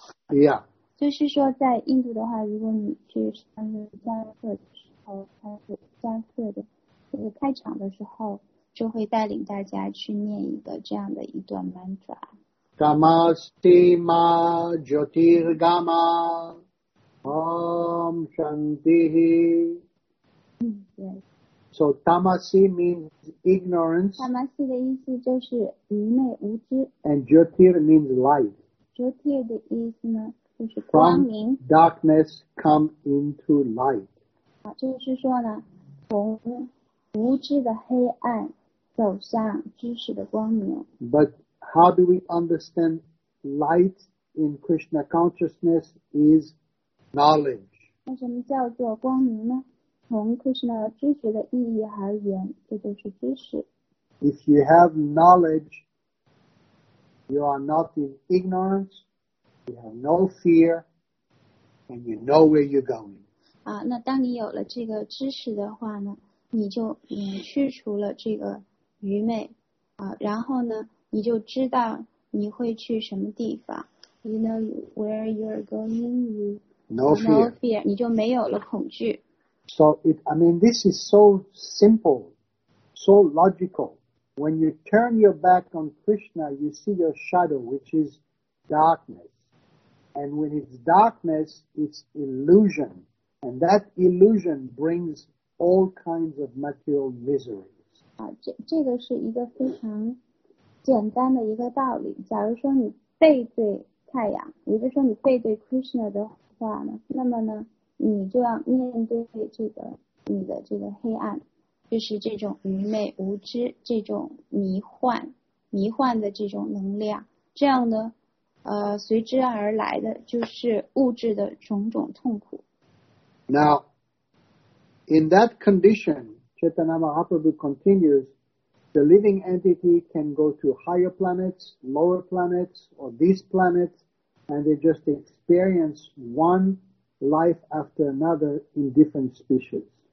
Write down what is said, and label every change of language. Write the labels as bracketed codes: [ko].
[zh] Yeah. 就是说在印度的话，如果你去上瑜伽课的时候，开始加课的这个开场的时候，就会带领大家去念一个这样的一段 mantra. [sa] Tamasti Ma Jyotirgama Om Shantihi. [en] Yes. So tamasi means ignorance. [zh] Tamasi 的意思就是愚昧无知。 [en] And jyotir means light. [zh] Jyotir 的意思呢，就是光明。 [en] From darkness come into light. [zh] 就是说呢，从无知的黑暗走向知识的光明。 [en] But how do we understand light in Krishna consciousness is knowledge. [zh] 那什么叫做光明呢？从 Krishna 知觉的意义而言，这就是知识。 [en] If you have knowledge, you are not in ignorance, you have no fear, and you know where you're going. [zh] 那当你有了这个知识的话呢，你就去除了这个愚昧，然后呢，你就知道你会去什么地方。 [en] You know where you're going, you no fear, [zh] 你就没有了恐惧。 [en] So, this is so simple, so logical. When you turn your back on Krishna, you see your shadow, which is darkness. And when it's darkness, it's illusion. And that illusion brings all kinds of material miseries. [zh] 这个是一个非常简单的一个道理。假如说你背对太阳，也就是说你背对 Krishna 的话呢，那么呢，你就要面对这个你的这个黑暗，就是这种愚昧无知，这种迷幻，迷幻的这种能量，这样呢，随之而来的就是物质的种种痛苦。 [en] Now, in that condition, Chaitanya Mahaprabhu continues, the living entity can go to higher planets, lower planets, or these planets, and they just experience one life after another in different species.